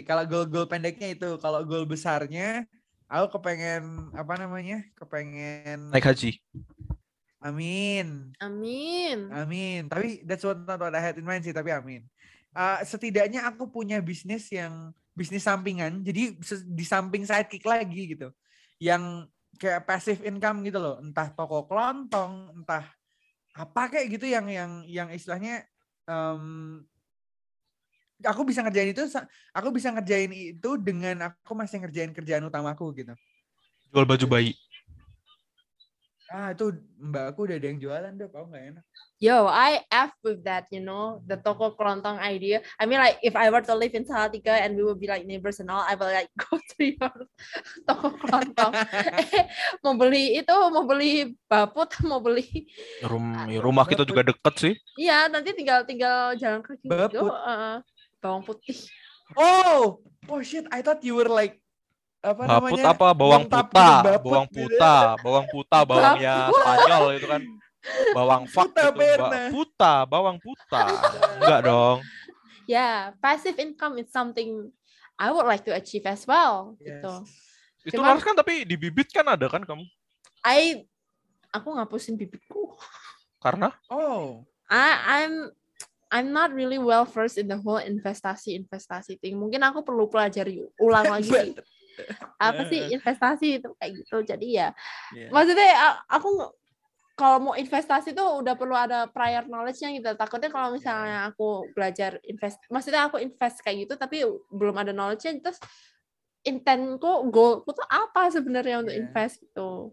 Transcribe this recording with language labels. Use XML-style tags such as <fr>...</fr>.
<id>Kalau goal-goal pendeknya itu, kalau goal besarnya aku kepengen apa namanya? Kepengen naik haji. Amin. Amin. Amin. Tapi</id> <en>that's what I had in mind</en> <id>sih, tapi amin. Setidaknya aku punya bisnis yang bisnis sampingan. Jadi di samping sidekick lagi gitu. Yang kayak passive income gitu loh. Entah toko kelontong, entah apa kayak gitu yang istilahnya aku bisa ngerjain itu dengan aku masih ngerjain kerjaan utamaku gitu. Jual baju bayi. Ah, itu mbakku udah ada yang jualan deh, kok enggak enak.</id> <en>Yo, I F with that, you know, the toko kelontong idea. I mean like if I were to live in Salatiga and we would be like neighbors and all, I would like go to your toko kelontong.</en> <id>mau beli baput, mau beli. Rumah kita juga deket sih. Iya, nanti tinggal jalan kaki. Baput. Bawang putih.</id> <en>Oh shit, I thought you were like</en> <id>baput apa? Bawang puta, bawang puta, bawang puta, bawang ya Spanyol itu kan. Bawang fuck puta itu, puta, bawang puta. Enggak dong.</id> <en>Ya, yeah, passive income is something I would like to achieve as well. Yes. Gitu.</en> <id>Itu cuma, harus kan, tapi di bibit kan ada kan kamu? Aku ngapusin bibitku. Karena? Oh.</id> <en>I'm not really well versed in the whole investasi thing.</en> <id>Mungkin aku perlu pelajari ulang lagi. Apa sih investasi itu kayak gitu, jadi ya maksudnya aku kalau mau investasi itu udah perlu ada prior knowledge-nya gitu, takutnya kalau misalnya aku belajar invest, maksudnya aku invest kayak gitu tapi belum ada knowledge-nya, terus intentku, goalku tuh apa sebenarnya untuk invest gitu.</id>